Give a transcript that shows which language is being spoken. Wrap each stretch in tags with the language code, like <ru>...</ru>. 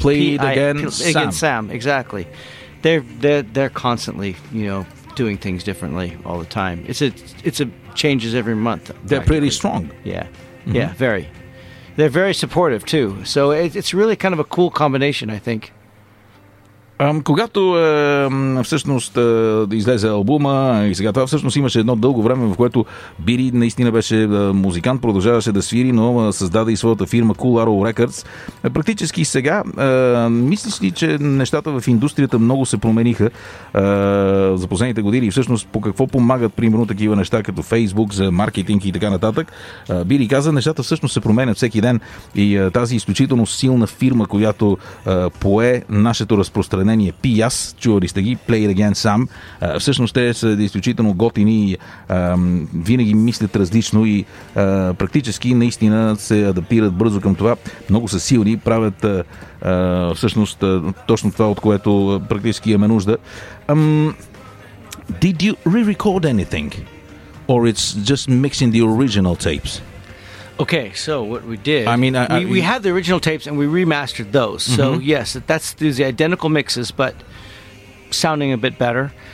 <en>Played against Sam. Exactly. They're constantly, you know, doing things differently all the time. It's changes every month. They're pretty strong. Yeah. Mm-hmm. Yeah, very. They're very supportive too. So it's really kind of a cool combination, I think.</en> <bg>Когато всъщност излезе албума и сега това всъщност имаше едно дълго време, в което Бири наистина беше музикант, продължаваше да свири, но създаде и своята фирма Cool Arrow Records. Практически сега, мислиш ли, че нещата в индустрията много се промениха за последните години и всъщност по какво помагат, примерно, такива неща като Facebook за маркетинг и така нататък? Бири каза, нещата всъщност се променят всеки ден и тази изключително силна фирма, която пое нашето разпространение, P.S., чували сте ги, Play It Again Sam. Всъщност те са изключително готини и винаги мислят различно и практически наистина се адаптират бързо към това. Много са силни, правят всъщност точно това, от което практически имаме нужда.</bg> <en>Did you re-record anything? Or it's just mixing the original tapes? Okay, so what we did, I mean, we had the original tapes and we remastered those. Mm-hmm. So, yes, that's the identical mixes, but sounding a bit better.</en>